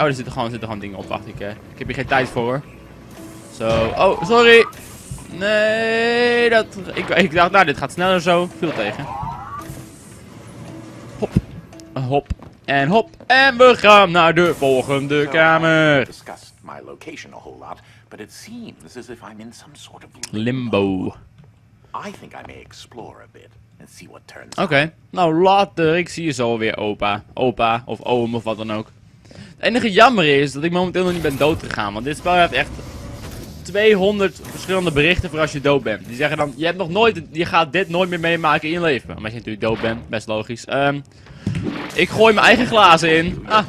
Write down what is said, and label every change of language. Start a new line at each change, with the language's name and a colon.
Dutch: Oh, er zitten gewoon dingen op, wacht ik. Ik heb hier geen tijd voor. Zo, oh, sorry. Nee, dat... Ik dacht, nou, dit gaat sneller zo. Viel tegen. Hop. Hop. En hop. En we gaan naar de volgende kamer.
English: My location a whole lot, but it seems as if I'm in some sort of limbo. I think I may explore a bit and see what turns out.
Dutch: Oké, nou later, ik zie je zo weer opa of oom of wat dan ook. Het enige jammer is dat ik momenteel nog niet ben dood gegaan, want dit spel heeft echt 200 verschillende berichten voor als je dood bent. Die zeggen dan, je hebt nog nooit, je gaat dit nooit meer meemaken in je leven. Omdat je natuurlijk dood bent, best logisch. Ik gooi mijn eigen glazen in.